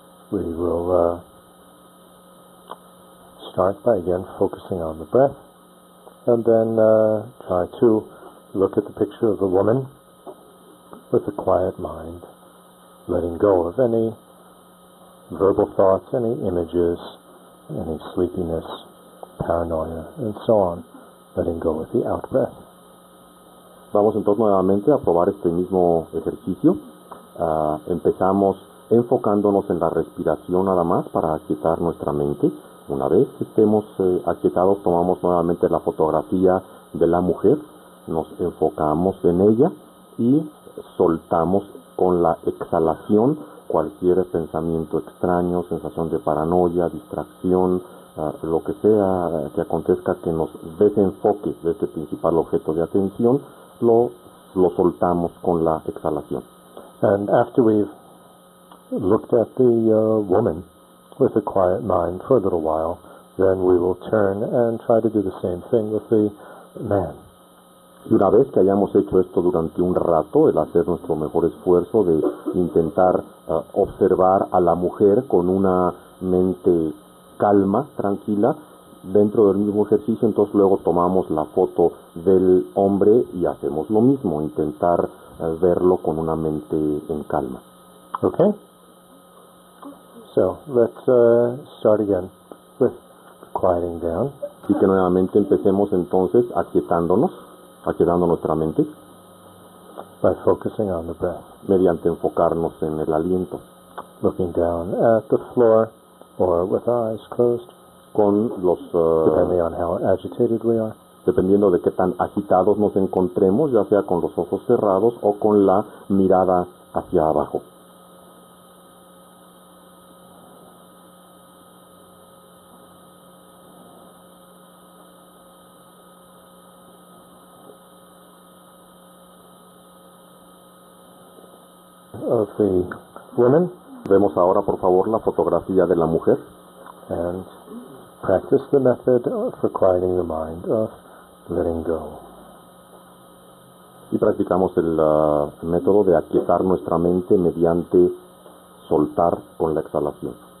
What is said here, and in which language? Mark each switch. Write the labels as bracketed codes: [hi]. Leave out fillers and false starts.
[en] We will start by again focusing on the breath, and then try to look at the picture of the woman with a quiet mind, letting go of any verbal thoughts, any images, any sleepiness, paranoia, and so on, letting go of the out-breath. [es] Vamos entonces nuevamente a probar este mismo ejercicio. Empezamos enfocándonos en la respiración nada más para aquietar nuestra mente. Una vez que estemos aquietados, tomamos nuevamente la fotografía de la mujer, nos enfocamos en ella y soltamos con la exhalación cualquier pensamiento extraño, sensación de paranoia, distracción, lo que sea que acontezca que nos desenfoque de este principal objeto de atención. Lo soltamos con la exhalación. [en] And after we've looked at the woman with a quiet mind for a little while, then we will turn and try to do the same thing with the man. [es] Y una vez que hayamos hecho esto durante un rato, el hacer nuestro mejor esfuerzo de intentar observar a la mujer con una mente calma, tranquila, dentro del mismo ejercicio, entonces luego tomamos la foto del hombre y hacemos lo mismo, intentar verlo con una mente en calma. [en] Okay. So, let's start again with quieting down. [es] Así que nuevamente empecemos entonces aquietando nuestra mente. [en] By focusing on the breath. [es] Mediante enfocarnos en el aliento. [en] Looking down at the floor or with eyes closed. [es] Con los [en] depending on how agitated we are. [es] Dependiendo de qué tan agitados nos encontremos, ya sea con los ojos cerrados o con la mirada hacia abajo. [en] Of the woman. [es] Vemos ahora, por favor, la fotografía de la mujer. [en] And practice the method for quieting the mind of letting go. [es] Y practicamos el método de aquietar nuestra mente mediante soltar con la exhalación.